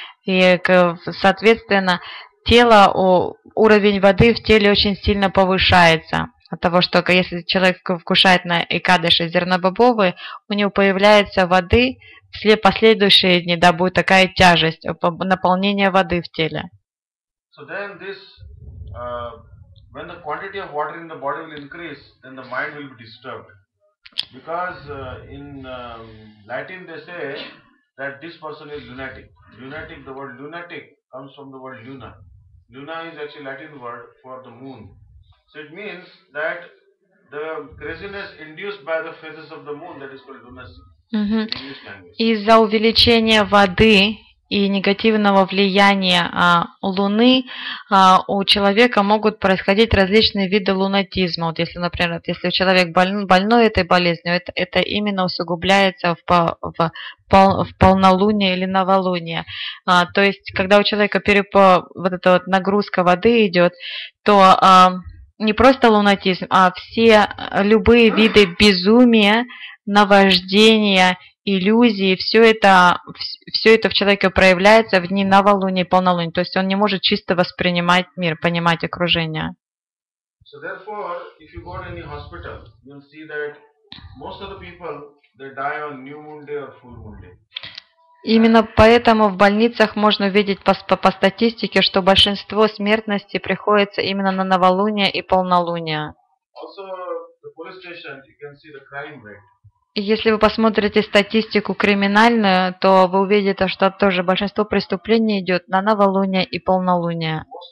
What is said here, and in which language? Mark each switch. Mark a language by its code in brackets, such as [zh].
[ru] И, соответственно, тело, уровень воды в теле очень сильно повышается. От того, что если человек вкушает на икадыши зернобобовые, у него появляется воды в последующие дни, да, будет такая тяжесть, наполнение воды в теле. [en] So then this, when the quantity of water in the body will increase, then the mind will be disturbed. Because in Latin they say that this person is lunatic. Lunatic, the word lunatic comes from the word luna. Luna is actually Latin word for the moon. So it means that the craziness induced by the phases of the moon, that is called lunacy. [ru] Из-за увеличения воды и негативного влияния Луны у человека могут происходить различные виды лунатизма. Вот если, например, если человек больной этой болезнью, это именно усугубляется в полнолуние или новолуние. То есть, когда у человека вот эта вот нагрузка воды идет, то не просто лунатизм, а все любые виды безумия, наваждения, иллюзии, все это в человеке проявляется в дни новолуния и полнолуния. То есть он не может чисто воспринимать мир, понимать окружение. [en] So therefore, if you go to any hospital, you'll see that most of the people, they die on new moon day or full moon day. [ru] Именно поэтому в больницах можно видеть по статистике, что большинство смертности приходится именно на новолуние и полнолуние. [en] Also, the police station, you can see the crime rate. [ru] Если вы посмотрите статистику криминальную, то вы увидите, что тоже большинство преступлений идет на новолуние и полнолуние.